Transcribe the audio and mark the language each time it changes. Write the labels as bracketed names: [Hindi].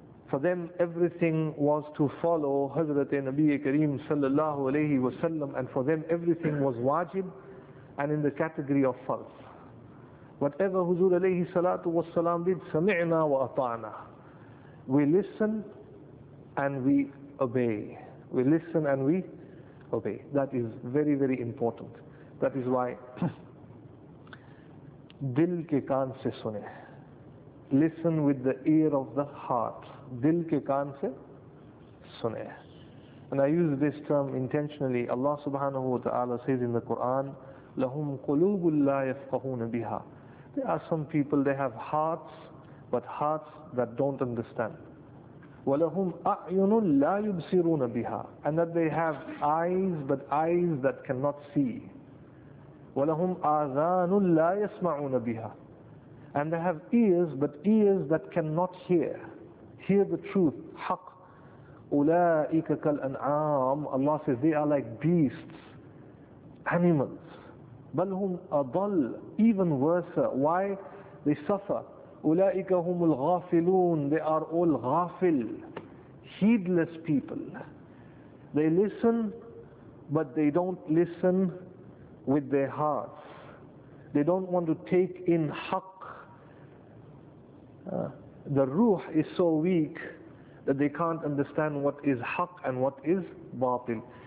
[English] For them, everything was to follow Hazrat Nabi Kareem sallallahu alayhi wa sallam, and for them everything was wajib and in the category of farz. Whatever Huzur alayhi salatu wa sallam did, [Arabic] sami'na wa ata'na. [English] We listen and we obey. We listen and we obey. That is very, very important. That is why [Hindi] दिल के कान से सुने. [English] Listen with the ear of the heart. [Hindi] दिल के कान से सुने. [English] And I use this term intentionally. Allah subhanahu wa ta'ala says in the Quran, [Arabic] لَهُم قُلُوبٌ لا يَفقَهونَ بِها. [English] There are some people, they have hearts, but hearts that don't understand. [Arabic] وَلَهُمْ أَعْيُنٌ لَا يُبْصِرُونَ بِهَا. [English] And that they have eyes, but eyes that cannot see. [Arabic] وَلَهُمْ آذَانٌ لَا يَسْمَعُونَ بِهَا. [English] And they have ears, but ears that cannot hear. Hear the truth, haqq. [Arabic] أولئك كالأنعام. [English] Allah says they are like beasts, animals. [Arabic] بل هم أضل, [English] even worse. Why? They suffer. [Arabic] أولئك هم الغافلون. [English] They are all غافل, heedless people. They listen, but they don't listen with their hearts. They don't want to take in haqq. The ruh is so weak that they can't understand what is haqq and what is batil.